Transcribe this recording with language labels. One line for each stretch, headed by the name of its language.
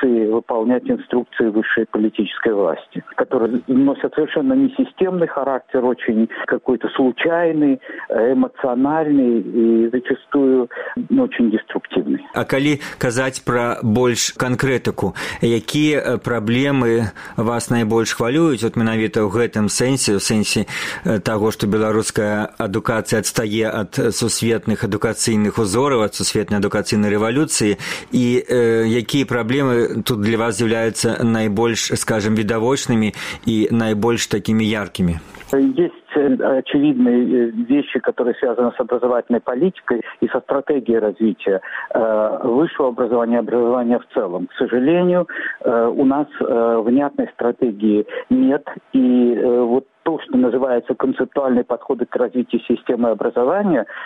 Russian: выполнять инструкции высшей политической власти, которые носят совершенно не системный характер, очень какой-то случайный, эмоциональный и зачастую очень деструктивный.
Belarusian: А коли казать про больш конкретику,
Russian: какие проблемы вас наибольш хвалюют,
Belarusian: вот менавіта гэтым сэнсе, у сэнсе таго, што беларуская адукацыя адстае ад сусветных адукацыйных узораў, ад сусветнай адукацыйнай рэвалюцыі, і якія праблемы тут для вас з'яўляюцца найбольш, скажам, відавочнымі і найбольш такімі яркімі?
Russian: Очевидные вещи, которые связаны с образовательной политикой и со стратегией развития высшего образования и образования в целом. К сожалению, у нас внятной стратегии нет, и вот то, что называется «Концептуальные подходы к развитию системы образования».